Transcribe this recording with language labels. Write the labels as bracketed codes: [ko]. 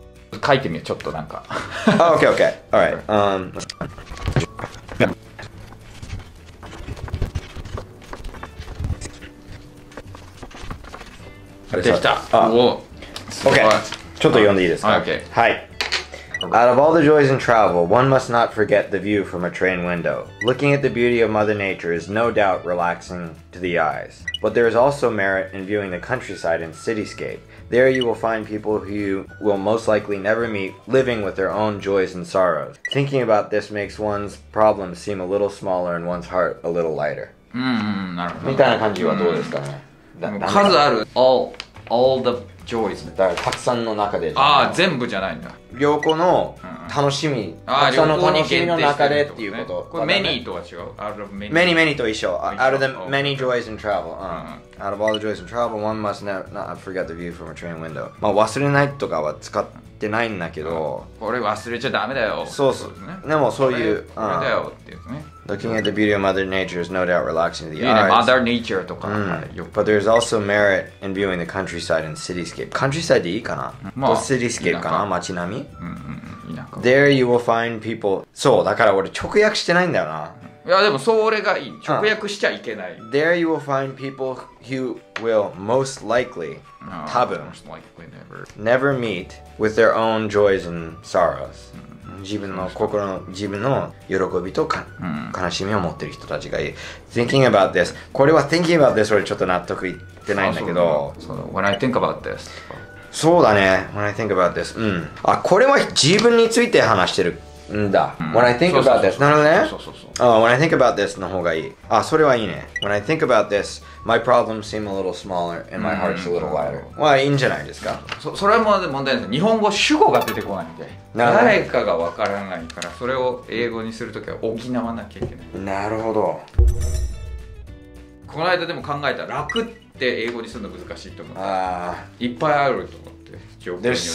[ja] と書いてみよう、ちょっとなんか。 [en] あ、OK、OK。Alright。 [ja] できた。あ、おぉ。 [en] OK。 [ja] ちょっと読んでいいですか。 [en] OK。 [ja] はい。 [en] Out of all the joys in travel, one must not forget the view from a train window. Looking at the beauty of Mother Nature is no doubt relaxing to the eyes. But there is also merit in viewing the countryside and cityscape. There you will find people who you will most likely never meet, living with their own joys and sorrows. Thinking about this makes one's problems seem a little smaller and one's heart a little lighter. [ja] みたいな感じはどうですかね。数ある。 [en] All the joys。 [ja] だからたくさんの中で。ああ、全部じゃないんだ。旅行の楽しみ、たくさんの楽しみの中でっていうこと。これ、 [en] many [ja] とは違う。 [en] Out of many。 many [ja] と一緒。 [en] Out of the many joys in travel。 Out of all the joys in travel, one must not forget the view from a train window。 [ja] まあ、忘れないとかは使ってないんだけど。これ忘れちゃダメだよ。そうそう。でもそういう。ダメだよっていうね。 [en] Looking at the beauty of Mother Nature is no doubt relaxing to the eyes. [ja] いいね、Mother Nature とか。 [en] But there's also merit in viewing the countryside and cityscape. Countryside [ja] でいいかな？まあ、 [en] cityscape [ja] かな？街並み？ [en] There you will find people. [ja] そう、だから俺直訳してないんだよな。いや、でもそう俺がいい。直訳しちゃいけない。 [en] There you will find people who will most likely, [ja] 多分、 [en] most likely never. never meet with their own joys and sorrows. [ja] 自分の心の自分の喜びと、悲しみを持ってる人たちがいい。 [en] Thinking about this、 [ja] これは [en] Thinking about this、 [ja] 俺ちょっと納得いってないんだけど。そうだ、 [en] When I think about this。 [ja] そうだね、 [en] When I think about this。 [ja] あ、これは自分について話してるんだ。 [en] When I think about this。 [ja] なるほどね。 [en] When I think about this [ja] の方がいい。あ、それはいいね。 [en] When I think about this、my problems seem a little smaller and my heart's a little lighter。 [ja] まあいいんじゃないですか。それも問題です。日本語主語が出てこないんで。誰かが分からないから、それを英語にするときは補わなきゃいけない。なるほど。この間でも考えた、楽って英語にするの難しいと思って、いっぱいあると思って、状況によって。